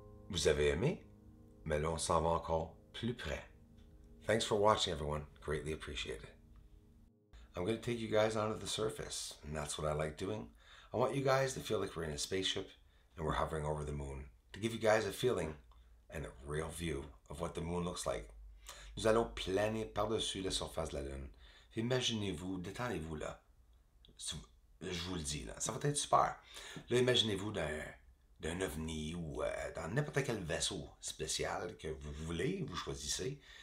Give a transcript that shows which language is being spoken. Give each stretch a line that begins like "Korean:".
French: Vous avez aimé? Mais là, on s'en va encore plus près.
English: Thanks for watching, everyone. Greatly appreciate it. I'm going to take you guys onto the surface, and that's what I like doing. I want you guys to feel like we're in a spaceship and we're hovering over the moon, to give you guys a feeling and a real view of what the moon looks like.
French: Nous allons planer par-dessus la surface de la Lune. Imaginez-vous, détendez-vous là. Je vous le dis, là, ça va être super. Là, imaginez-vous d'un ovni ou dans n'importe quel vaisseau spécial que vous voulez, vous choisissez.